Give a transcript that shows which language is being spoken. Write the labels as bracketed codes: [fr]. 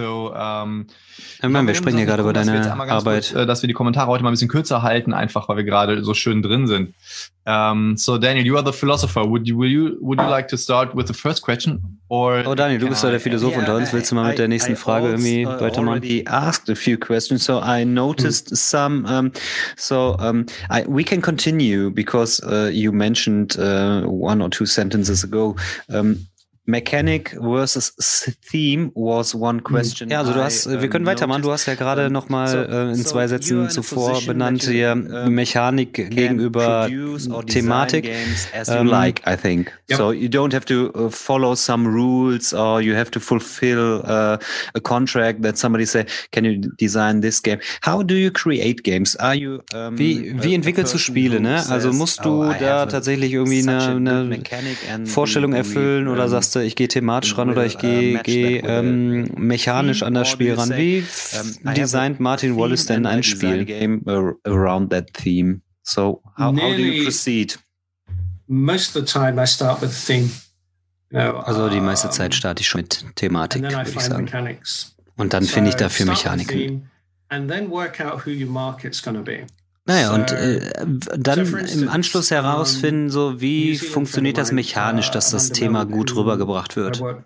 [de] Wir sprechen ja gerade über deine Arbeit. Dass wir die Kommentare heute mal ein bisschen kürzer halten, einfach weil wir gerade so schön drin sind. [en] So Daniel, you are the philosopher. Would you like to start with the first question? [de] Oh Daniel, du bist ja der Philosoph unter uns. Willst du mal mit der nächsten Frage irgendwie weitermachen? [en] I already asked a few questions, so I noticed some. We can continue because you mentioned one or two sentences ago. Mechanic versus theme was one question. [de] Ja, also du hast, wir können weitermachen. Du hast ja gerade noch mal in zwei Sätzen zuvor benannt hier Mechanik gegenüber Thematik. [en] I think. Yep. So you don't have to follow some rules or you have to fulfill a contract that somebody say, can you design this game? How do you create games? Are you [de] wie entwickelst du Spiele? Ne? Also musst du da tatsächlich irgendwie eine Vorstellung erfüllen oder sagst ich gehe thematisch ran oder ich gehe mechanisch an das Spiel ran. Wie designt Martin Wallace denn ein Spiel? [en] Game around that theme. So how do you proceed? Most of the time I start with theme. [de] Also die meiste Zeit starte ich schon mit Thematik, würde ich sagen. Mechanics. Und dann finde ich dafür Mechaniken. [en] And then work out who your market's gonna be. [de] Naja, und dann im Anschluss herausfinden, so wie funktioniert das mechanisch, dass das Thema gut rübergebracht wird.